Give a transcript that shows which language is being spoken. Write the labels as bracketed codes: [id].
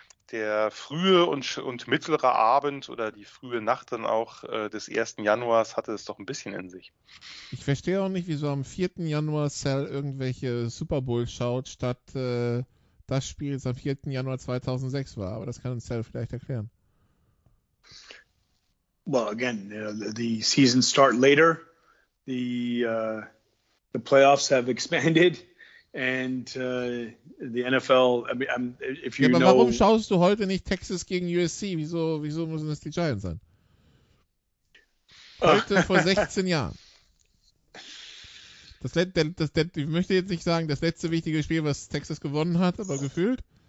[de] Der frühe und mittlere Abend oder die frühe Nacht dann auch des 1. Januars hatte es doch ein bisschen in sich. Ich verstehe auch nicht, wieso am 4. Januar Sal irgendwelche Super Bowl schaut, statt das Spiel jetzt am 4. Januar 2006 war, aber das kann uns Sal vielleicht erklären. [en] Well, again, the season start later, the playoffs have expanded, and the NFL, I mean, if you know... [de] Aber warum schaust du heute nicht Texas gegen USC? Wieso müssen es die Giants sein? Heute vor 16 Jahren. Ich möchte jetzt nicht sagen, das letzte wichtige Spiel, was Texas gewonnen hat, aber gefühlt.